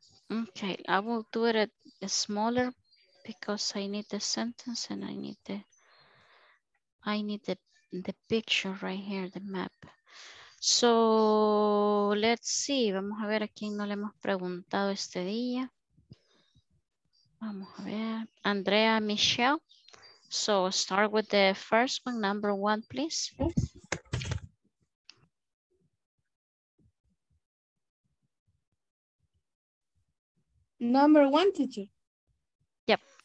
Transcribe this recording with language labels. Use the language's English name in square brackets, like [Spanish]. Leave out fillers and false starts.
[English] Okay, I will do it a smaller because I need the sentence and I need the picture right here, the map. So let's see, [Spanish] vamos a ver a quién no le hemos preguntado este día. Vamos a ver, Andrea, Michelle. [English] So start with the first one, number one, please. Number one, teacher. Yep.